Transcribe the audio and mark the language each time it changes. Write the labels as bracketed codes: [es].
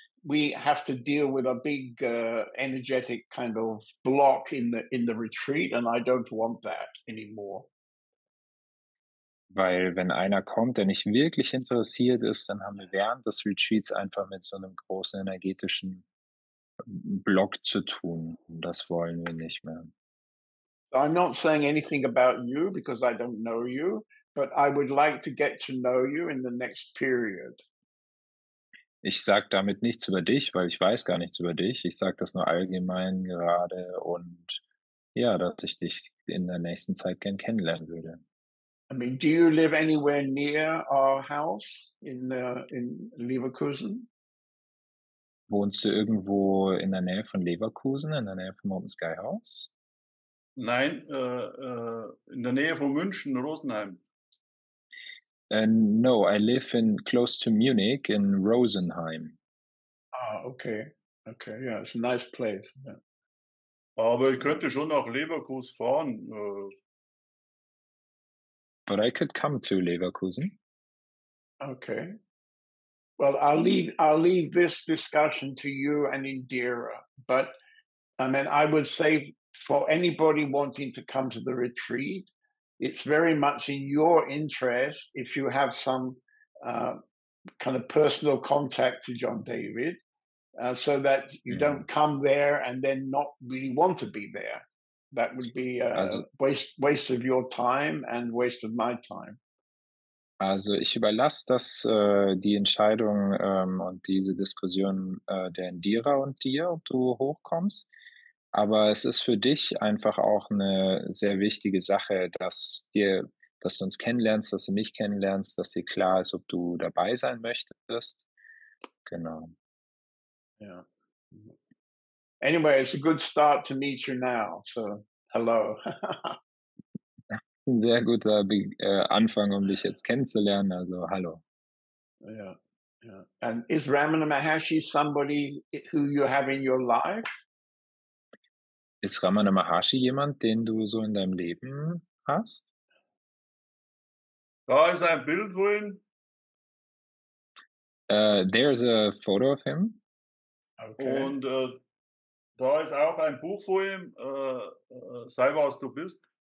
[en] We have to deal with a big energetic kind of block in the retreat, and I don't want that anymore. [de] Weil wenn einer kommt, der nicht wirklich interessiert ist, dann haben wir während des Retreats einfach mit so einem großen energetischen Block zu tun. Das wollen wir nicht mehr. [en] I'm not saying anything about you because I don't know you, but I would like to get to know you in the next period. [de] Ich sage damit nichts über dich, weil ich weiß gar nichts über dich. Ich sage das nur allgemein gerade und ja, dass ich dich in der nächsten Zeit gern kennenlernen würde. [en] I mean, do you live anywhere near our house in Leverkusen? [de] Wohnst du irgendwo in der Nähe von Leverkusen, in der Nähe vom Open Sky House? Nein, in der Nähe von München, Rosenheim. [en] No, I live in close to Munich in Rosenheim. Ah, okay. Okay, yeah, it's a nice place. Yeah. [de] Aber ich könnte schon nach Leverkusen fahren. [en] But I could come to Leverkusen. Okay. Well, I'll leave this discussion to you and Indira. But I mean, I would say for anybody wanting to come to the retreat, it's very much in your interest if you have some kind of personal contact to John David, so that you don't come there and then not really want to be there. That would be a waste of your time and waste of my time. [de] Also ich überlasse das, die Entscheidung und diese Diskussion der Indira und dir, ob du hochkommst. Aber es ist für dich einfach auch eine sehr wichtige Sache, dass du uns kennenlernst, dass du mich kennenlernst, dass dir klar ist, ob du dabei sein möchtest. Genau. Ja. Yeah. [en] Anyway, it's a good start to meet you now. So, hello. [de] Sehr guter Anfang, um dich jetzt kennenzulernen. Also, hallo. Ja. Yeah. Yeah. [en] And is Ramana Maharshi somebody who you have in your life? [de] Ist Ramana Maharshi jemand, den du so in deinem Leben hast? Da ist ein Bild von ihm. [en] There's a photo of him. Okay. [de] Und da ist auch ein Buch von ihm, Sei, was du bist.